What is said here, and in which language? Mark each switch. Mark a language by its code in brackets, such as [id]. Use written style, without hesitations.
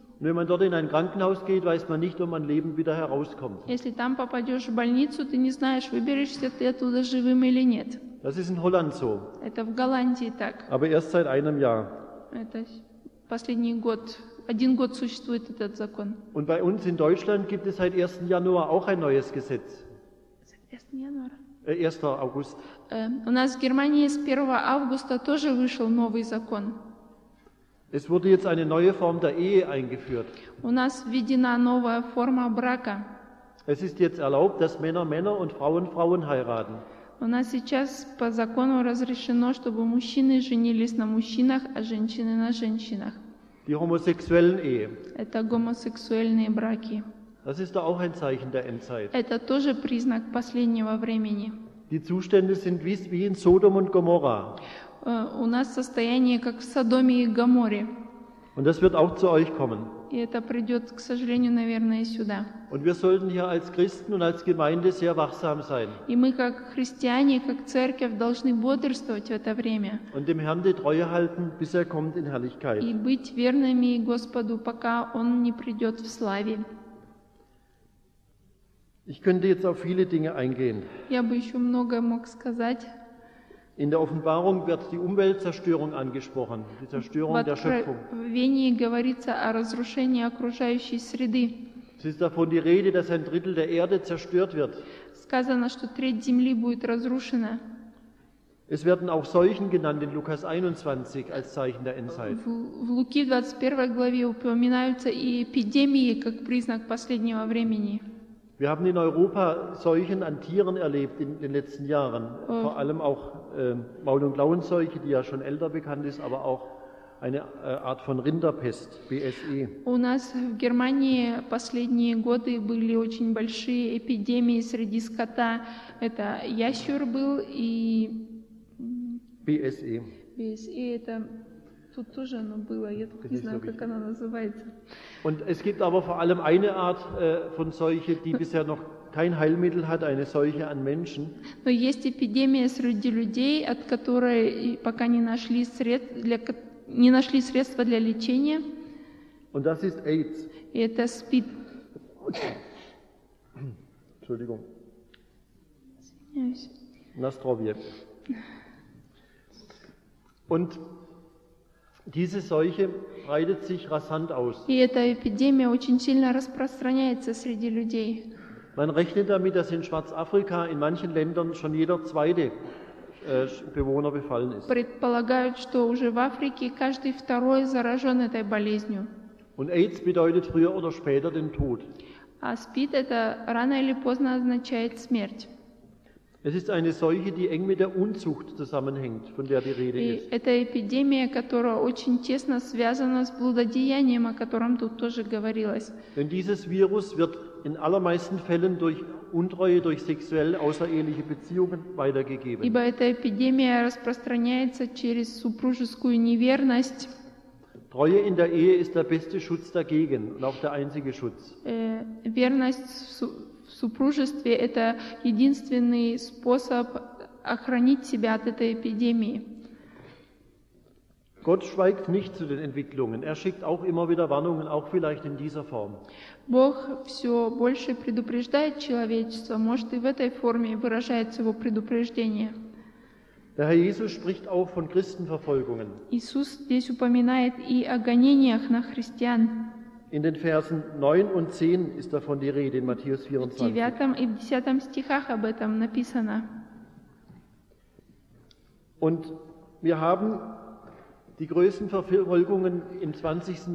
[de] Wenn man dort in ein Krankenhaus geht, weiß man nicht, ob man lebend wieder herauskommt. [ru] Если там попадешь в больницу, ты не знаешь, выберешься ты оттуда живым или нет. [de] Das ist in Holland so. [ru] Это в Голландии так. [de] Aber erst seit einem Jahr. [ru] Это последний год. Один год существует этот закон. [de] Und bei uns in Deutschland gibt es seit 1. Januar auch ein neues Gesetz. 1. August. [ru] У нас в Германии с 1 августа тоже вышел новый закон. [de] Es wurde jetzt eine neue Form der Ehe eingeführt. [ru] У нас введена новая форма брака. [de] Es ist jetzt erlaubt, dass Männer Männer und Frauen Frauen heiraten. [ru] У нас сейчас по закону разрешено, чтобы мужчины женились на мужчинах, а женщины на женщинах. [de] Die homosexuellen Ehe. [ru] Это гомосексуальные браки. [de] Das ist auch ein Zeichen der Endzeit. [ru] Это тоже признак последнего времени. [de] Die Zustände sind wie in Sodom und Gomorra. [ru] У нас состояние как в Содоме и Гоморре. [de] Und das wird auch zu euch kommen. [ru] И это придет, к сожалению, наверное, сюда. [de] Und wir sollten hier als Christen und als Gemeinde sehr wachsam sein. [ru] И мы как христиане, как церковь должны бодрствовать в это время. [de] Und dem Herrn die Treue halten, bis er kommt in Herrlichkeit. [ru] И быть верными Господу, пока Он не придет в славе. [de] Ich könnte jetzt auf viele Dinge eingehen. [ru] Я бы еще много мог сказать. [de] In der Offenbarung wird die Umweltzerstörung angesprochen, die Zerstörung der Schöpfung. [ru] В Откровении говорится о разрушении окружающей среды. [de] Es ist davon die Rede, dass ein Drittel der Erde zerstört wird. [ru] Сказано, что треть земли будет разрушена. [de] Es werden auch Seuchen genannt in Lukas 21 als Zeichen der Endzeit. [ru] В Луки 21 главе упоминаются и эпидемии как признак последнего времени. [de] Wir haben in Europa Seuchen an Tieren erlebt in den letzten Jahren. Vor allem auch Maul- und Klauenseuche, die ja schon älter bekannt ist, aber auch eine Art von Rinderpest, BSE. [ru] У нас в Германии последние годы были очень большие эпидемии среди скота. Это ящур был и... BSE. BSE, это... Тут тоже оно было, я так не знаю, как оно называется. [de] Und es gibt aber vor allem eine Art von Seuche, die bisher noch kein Heilmittel hat, eine Seuche an Menschen. [ru] Но есть эпидемия среди людей, от которой пока не нашли средства для лечения. [de] Und das ist AIDS. [ru] И это СПИД. [de] Entschuldigung. [ru] Nastrovje. [de] Und diese Seuche breitet sich rasant aus. [ru] И эта эпидемия очень сильно распространяется среди людей. [de] Man rechnet damit, dass in Schwarzafrika in manchen Ländern schon jeder zweite Bewohner befallen ist. [ru] Предполагают, что уже в Африке каждый второй заражен этой болезнью. [de] Und AIDS bedeutet früher oder später den Tod. [ru] А СПИД это рано или поздно означает смерть. [de] Es ist eine Seuche, die eng mit der Unzucht zusammenhängt, von der die Rede ist. [ru] Это эпидемия, которая очень тесно связана с блудодеянием, о котором тут тоже говорилось. [de] Denn dieses Virus wird in allermeisten Fällen durch Untreue, durch sexuell außereheliche Beziehungen weitergegeben. [ru] Ибо эта эпидемия распространяется через супружескую неверность. [de] Treue in der Ehe ist der beste Schutz dagegen und auch der einzige Schutz. [ru] Верность в супружестве – это единственный способ охранить себя от этой эпидемии. [de] Gott schweigt nicht zu den Entwicklungen. Er schickt auch immer wieder Warnungen, auch vielleicht in dieser Form. [ru] Бог все больше предупреждает человечество, может и в этой форме выражается его предупреждение. [de] Der Herr Jesus spricht auch von Christenverfolgungen. [ru] Иисус здесь упоминает и о гонениях на христиан. [de] In den Versen 9 und 10 ist davon die Rede in Matthäus 24. [ru] В 9 и 10 стихах об этом написано. [de] Und wir haben die größten Verfolgungen im 20.